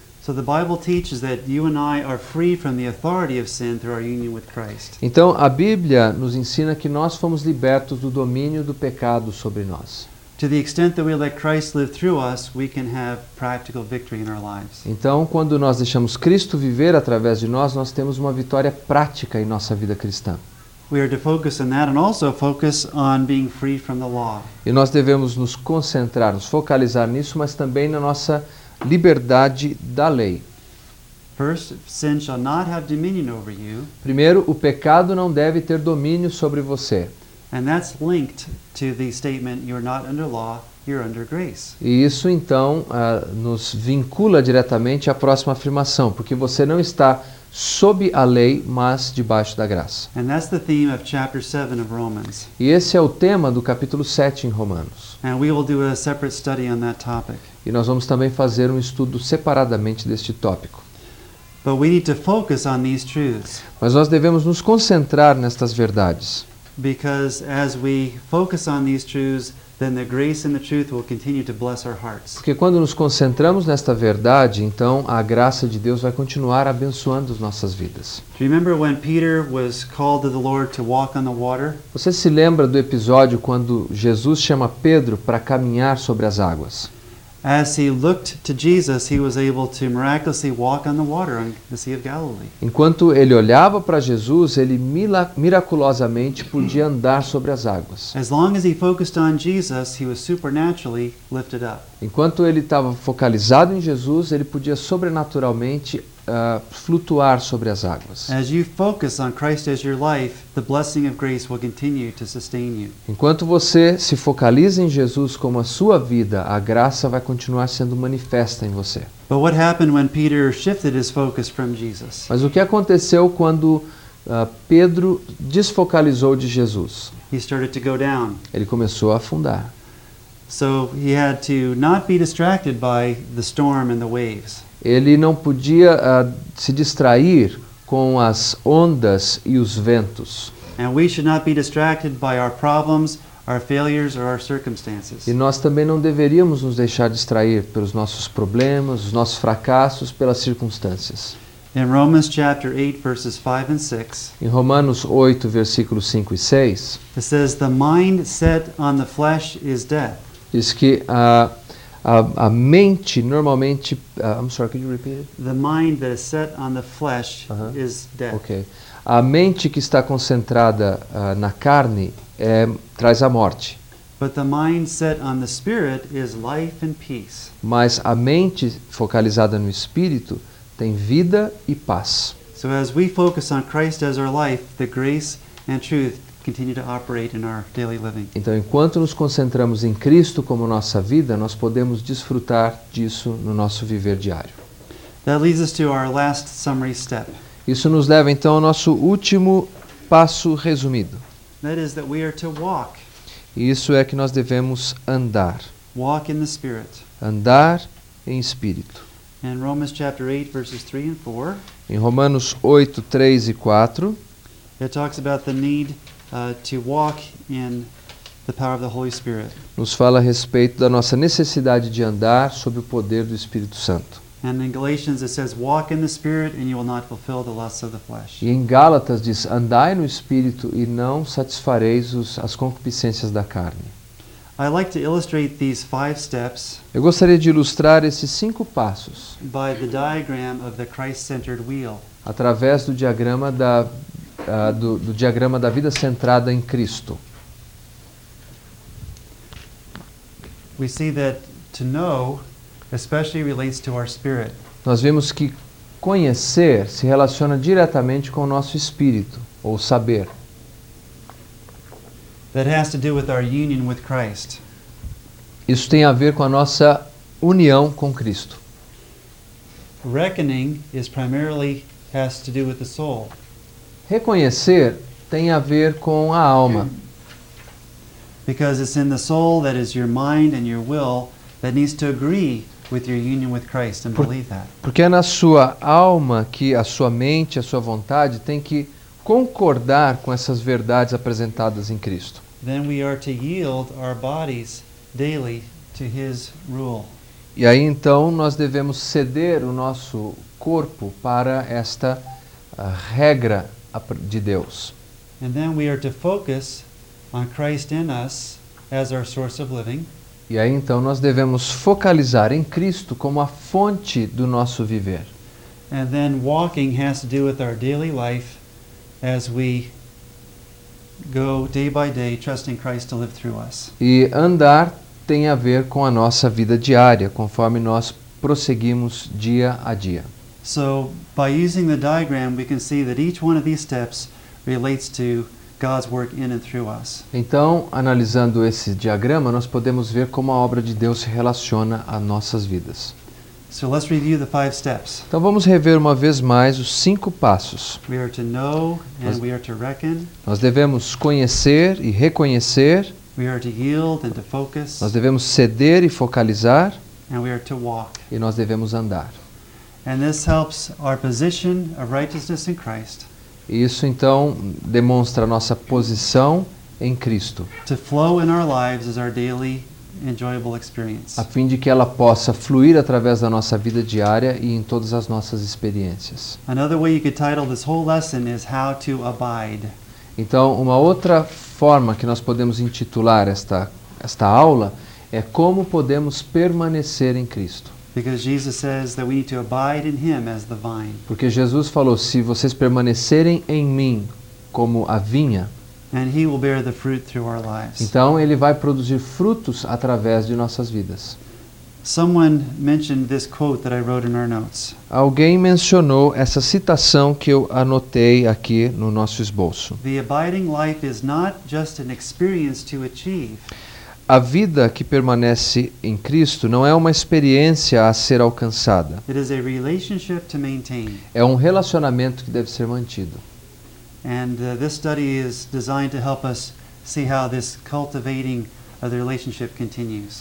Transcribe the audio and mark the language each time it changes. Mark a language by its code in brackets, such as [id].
[en] So the Bible teaches that you and I are free from the authority of sin through our union with Christ. [pt] Então a Bíblia nos ensina que nós fomos libertos do domínio do pecado sobre nós. [en] To the extent that we let Christ live through us, we can have practical victory in our lives. [pt] Então quando nós deixamos Cristo viver através de nós, nós temos uma vitória prática em nossa vida cristã. [en] We are to focus on that and also focus on being free from the law. [pt] E nós devemos nos concentrar, nos focalizar nisso, mas também na nossa liberdade da lei. [en] First, sin shall not have dominion over you. [pt] Primeiro, o pecado não deve ter domínio sobre você. [en] And that's linked to the statement, you're not under law, you're under grace. [pt] E isso então nos vincula diretamente à próxima afirmação, porque você não está sob a lei, mas debaixo da graça. [en] And that's the theme of chapter 7 of Romans. [pt] E esse é o tema do capítulo 7 em Romanos. [en] And we will do a separate study on that topic. [pt] E nós vamos também fazer um estudo separadamente deste tópico. [en] But we need to focus on these truths. [pt] Mas nós devemos nos concentrar nestas verdades. [en] Because as we focus on these truths, then the grace and the truth will continue to bless our hearts. [pt] Porque quando nos concentramos nesta verdade, então a graça de Deus vai continuar abençoando as nossas vidas. [en] Do you remember when Peter was called to the Lord to walk on the water? [pt] Você se lembra do episódio quando Jesus chama Pedro para caminhar sobre as águas? [en] As he looked to Jesus, he was able to miraculously walk on the water on the Sea of Galilee. [pt] Enquanto ele olhava para Jesus, ele miraculosamente podia andar sobre as águas. [en] As long as he focused on Jesus, he was supernaturally lifted up. [pt] Enquanto ele estava focalizado em Jesus, ele podia sobrenaturalmente flutuar sobre as águas. [en] As you focus on Christ as your life, the blessing of grace will continue to sustain you. [pt] Enquanto você se focaliza em Jesus como a sua vida, a graça vai continuar sendo manifesta em você. [en] But what happened when Peter shifted his focus from Jesus? [pt] Mas o que aconteceu quando Pedro desfocalizou de Jesus? [en] He started to go down. [pt] Ele começou a afundar. [en] So he had to not be distracted by the storm and the waves. [pt] Ele não podia se distrair com as ondas e os ventos. [en] And we should not be distracted by our problems, our failures, or our circumstances. [pt] E nós também não deveríamos nos deixar distrair pelos nossos problemas, os nossos fracassos, pelas circunstâncias. [en] In Romans chapter 8, verses 5 and 6, [pt] em Romanos 8, versículos 5 e 6, [en] it says, the mind set on the flesh is death. [pt] Diz que a mente normalmente, [en] I'm sorry, could you repeat it? The mind that is set on the flesh is death. [pt] Okay. A mente que está concentrada na carne traz a morte. [en] But the mind set on the spirit is life and peace. [pt] Mas a mente focalizada no espírito tem vida e paz. [en] So as we focus on Christ as our life, the grace and truth continue to operate in our daily living. [pt] Então, enquanto nos concentramos em Cristo como nossa vida, nós podemos desfrutar disso no nosso viver diário. [en] That leads us to our last summary step. [pt] Isso nos leva então ao nosso último passo resumido. [en] That is that we are to walk. [pt] Isso é que nós devemos andar. [en] Walk in the Spirit. [pt] Andar em espírito. [en] In Romans chapter 8 verses 3 and 4. [pt] Em Romanos 8, 3 e 4. [en] It talks about the need to walk in the power of the Holy Spirit. [pt] Nos fala a respeito da nossa necessidade de andar sob o poder do Espírito Santo. [en] And in Galatians it says, walk in the Spirit and you will not fulfill the lusts of the flesh. [pt] E em Gálatas diz, andai no Espírito e não satisfareis as concupiscências da carne. [en] I like to illustrate these five steps. [pt] Eu gostaria de ilustrar esses cinco passos. [en] By the diagram of the Christ-centered wheel. [pt] Através do diagrama da do diagrama da vida centrada em Cristo. [en] We see that to know especially relates to our spirit. [pt] Nós vemos que conhecer se relaciona diretamente com o nosso espírito, ou saber. [en] That has to do with our union with Christ. [pt] Isso tem a ver com a nossa união com Cristo. [en] Reckoning is primarily has to do with the soul. [pt] Reconhecer tem a ver com a alma. [en] Because it's in the soul that is your mind and your will that needs to agree with your union with Christ and believe that. [pt] Porque é na sua alma que a sua mente, a sua vontade tem que concordar com essas verdades apresentadas em Cristo. [en] Then we are to yield our bodies daily to his rule. [pt] E aí então nós devemos ceder o nosso corpo para esta regra de Deus. [en] And then we are to focus on Christ in us as our source of living. [pt] E aí então nós devemos focalizar em Cristo como a fonte do nosso viver. [en] And then walking has to do with our daily life as we go day by day trusting Christ to live through us. [pt] E andar tem a ver com a nossa vida diária, conforme nós prosseguimos dia a dia. [en] So, by using the diagram, we can see that each one of these steps relates to God's work in and through us. [pt] Então, analisando esse diagrama, nós podemos ver como a obra de Deus se relaciona a nossas vidas. [en] So, let's review the five steps. [pt] Então, vamos rever uma vez mais os cinco passos. [en] We are to know and we are to reckon. [pt] Nós devemos conhecer e reconhecer. [en] We are to yield and to focus. [pt] Nós devemos ceder e focalizar. [en] And we are to walk. [pt] E nós devemos andar. [en] And this helps our position of righteousness in Christ. [pt] Isso então demonstra a nossa posição em Cristo. [en] To flow in our lives is our daily enjoyable experience. [pt] A fim de que ela possa fluir através da nossa vida diária e em todas as nossas experiências. [en] Another way you could title this whole lesson is how to abide. [pt] Então, uma outra forma que nós podemos intitular esta aula é como podemos permanecer em Cristo. [en] Because Jesus says that we need to abide in him as the vine. [pt] Porque Jesus falou, se vocês permanecerem em mim como a vinha, [en] and he will bear the fruit through our lives. [pt] Então ele vai produzir frutos através de nossas vidas. [en] Someone mentioned this quote that I wrote in our notes. [pt] Alguém mencionou essa citação que eu anotei aqui no nosso esboço. [en] The abiding life is not just an experience to achieve. [pt] A vida que permanece em Cristo não é uma experiência a ser alcançada. [en] It is a relationship to maintain. [pt] É um relacionamento que deve ser mantido. [en] And this study is designed to help us see how this cultivating of the relationship continues.